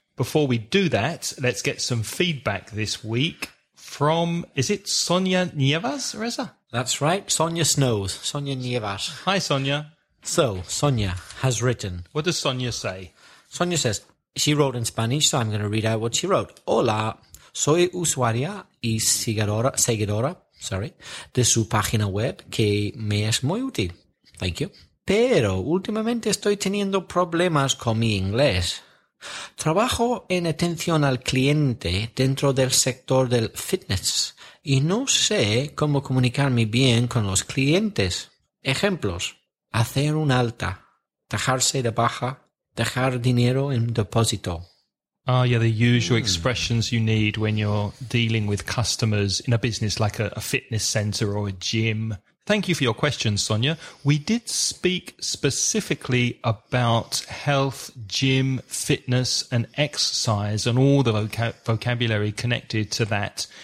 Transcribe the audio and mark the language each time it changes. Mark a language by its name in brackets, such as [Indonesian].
[English] Before we do that, let's get some feedback this week from, is it Sonia Nievas, Reza? That's right, Sonia Snows, Sonia Nievas. Hi, Sonia. So, Sonia has written. What does Sonia say? Sonia says, she wrote in Spanish, so I'm going to read out what she wrote. [Spanish] Hola, soy usuaria y seguidora, de su página web, que me es muy útil. [English] Thank you. [Spanish] Pero últimamente estoy teniendo problemas con mi inglés. Trabajo en atención al cliente dentro del sector del fitness y no sé cómo comunicarme bien con los clientes. Ejemplos: hacer un alta, dejarse de baja, dejar dinero en depósito. [English] Ah, yeah, the usual expressions you need when you're dealing with customers in a business like a fitness center or a gym. Thank you for your question, Sonia. We did speak specifically about health, gym, fitness and exercise and all the vocabulary connected to that.